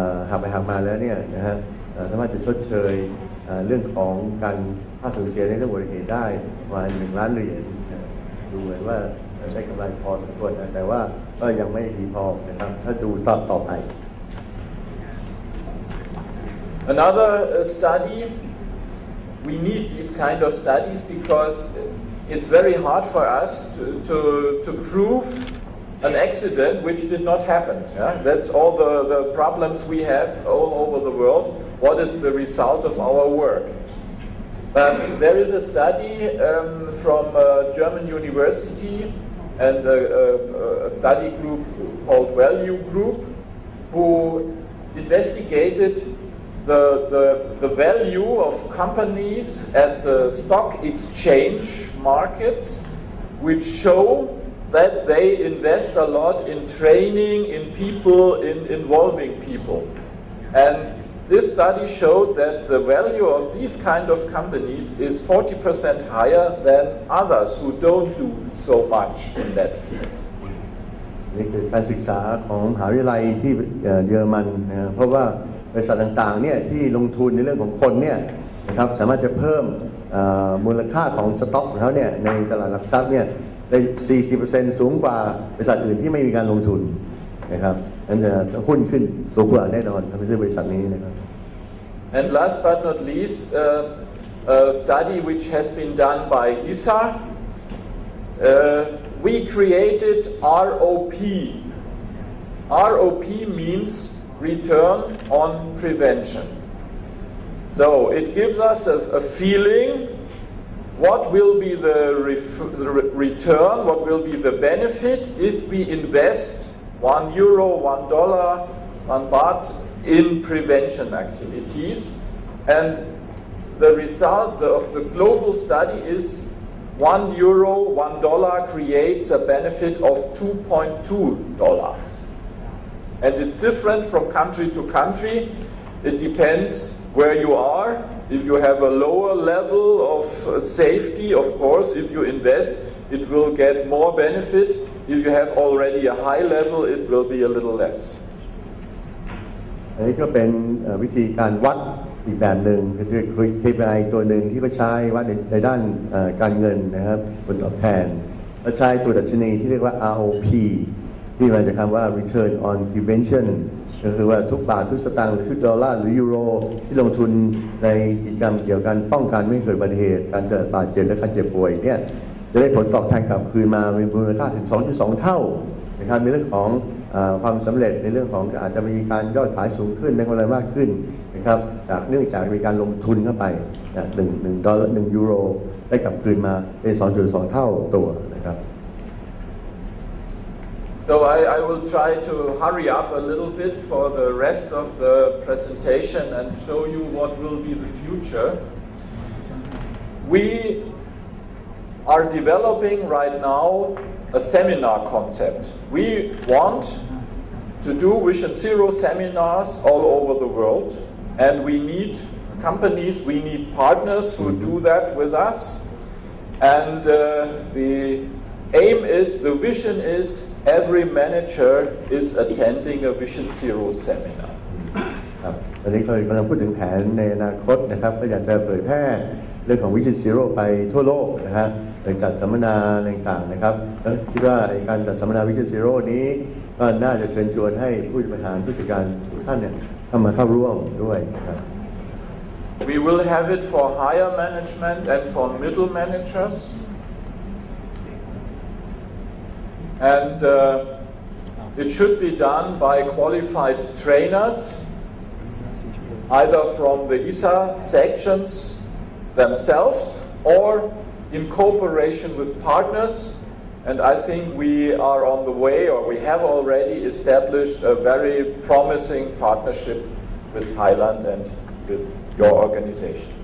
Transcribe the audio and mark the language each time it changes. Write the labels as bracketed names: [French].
[Thai] หักไปหักมาแล้วเนี่ยนะฮะสามารถจะชดเชยเรื่องของการค่าสูญเสียในเรื่องอุบัติเหตุได้ประมาณ$1 million ดูเหมือนว่าได้กำไรพอสมควรแต่ว่าก็ยังไม่ดีพอนะครับถ้าดูต่อไป [English] Another study we need these kind of studies because it's very hard for us to prove an accident which did not happen yeah that's all the problems we have all over the world what is the result of our workBut there is a study from a German university and a study group called Value Group, who investigated the value of companies at the stock exchange markets, which show that they invest a lot in training, in people, in involving people. And this study showed that the value of these kind of companies is 40% higher than others who don't do so much in that field. [Thai] นี่คือการศึกษาของมหาวิทยาลัยที่เยอรมันนะเพราะว่าบริษัทต่างๆเนี่ยที่ลงทุนในเรื่องของคนเนี่ยนะครับสามารถจะเพิ่มมูลค่าของสต็อกของเขาเนี่ยในตลาดหลักทรัพย์เนี่ยได้ 40% สูงกว่าบริษัทอื่นที่ไม่มีการลงทุนนะครับอันนี้หุ้นขึ้นสูงกว่าแน่นอนทำให้บริษัทนี้นะครับ [English] And last but not least a study which has been done by ISSA we created ROP. ROP means return on prevention. So it gives us a feeling what will be the return, what will be the benefit if we invest €1, $1, $1 in prevention activities. And the result of the global study is €1, $1 creates a benefit of $2.2. And it's different from country to country. It depends where you are. If you have a lower level of safety, of course, if you invest, it will get more benefit. If you have already a high level, it will be a little less. [Thai] อันนี้ก็เป็นวิธีการวัดอีกแบบหนึ่งคือ KPI ตัวหนึ่งที่เขาใช้วัดในด้านการเงินนะครับผลตอบแทนเขาใช้ตัวดัชนีที่เรียกว่า ROP ที่มาจากคำว่า Return on Prevention ก็คือว่าทุกบาททุกสตางค์ทุกดอลลาร์หรือยูโรที่ลงทุนในกิจกรรมเกี่ยวกับป้องกันไม่เกิดอุบัติเหตุการเกิดบาดเจ็บและการเจ็บป่วยเนี่ยจะได้ผลตอบแทนกลับคืนมาเป็นมูลค่าถึง 2.2 เท่านะครับในเรื่องของ ความสำเร็จในเรื่องของอาจจะมีการยอดขายสูงขึ้นในกำไรมากขึ้นนะครับจากเนื่องจากมีการลงทุนเข้าไปหนึ่งดอลลาร์หนึ่งยูโรได้กลับคืนมาเป็น 2.2 เท่าตัวนะครับ [English] So I will try to hurry up a little bit for the rest of the presentation and show you what will be the future. We are developing right now a seminar concept. We want to do Vision Zero seminars all over the world, and we need companies, we need partners who do that with us. And the aim is, the vision is, every manager is attending a Vision Zero seminar. [Thai] ตอนนี้เรากำลังพูดถึงแผนในอนาคตนะครับก็อยากจะเผยแพร่เรื่องของ Vision Zero ไปทั่วโลกนะครับจัดสัมมนาต่างๆนะครับคิดว่าการจัดสัมมนาวิชั่นซีโร่นี้ก็น่าจะเชิญชวนให้ผู้บริหารผู้จัดการทุกท่านเนี่ยทำมาเข้าร่วมด้วยครับ [English] We will have it for higher management and for middle managers and it should be done by qualified trainers either from the ISSA sections themselves orin cooperation with partners, and I think we are on the way, or we have already established a very promising partnership with Thailand and with your organization.